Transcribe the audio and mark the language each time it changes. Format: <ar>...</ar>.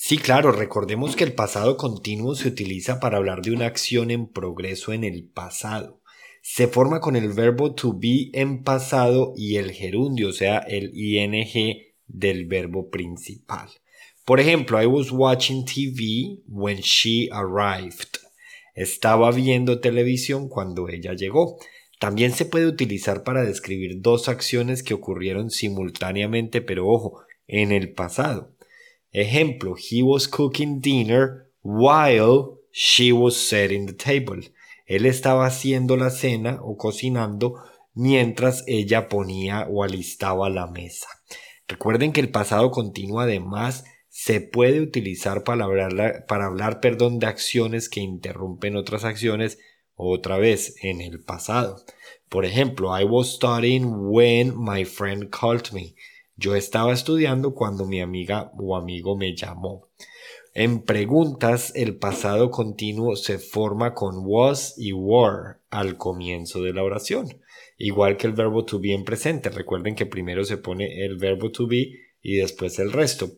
<es>Sí, claro, recordemos que el pasado continuo se utiliza para hablar de una acción en progreso en el pasado. Se forma con el verbo to be en pasado y el gerundio, o sea, el ing del verbo principal. Por ejemplo,</es> <en>I was watching TV when she arrived.</en> <es>Estaba viendo televisión cuando ella llegó. También se puede utilizar para describir dos acciones que ocurrieron simultáneamente, pero ojo, en el pasado. Ejemplo,</es> <en>he was cooking dinner while she was setting the table.</en> <es>Él estaba haciendo la cena o cocinando mientras ella ponía o alistaba la mesa. Recuerden que el pasado continuo además se puede utilizar para hablar, perdón, de acciones que interrumpen otras acciones otra vez en el pasado. Por ejemplo,</es> <en>I was studying when my friend called me.</en> <es>Yo estaba estudiando cuando mi amiga o amigo me llamó. En preguntas, el pasado continuo se forma con was y were al comienzo de la oración. Igual que el verbo to be en presente. Recuerden que primero se pone el verbo to be y después el resto.</es>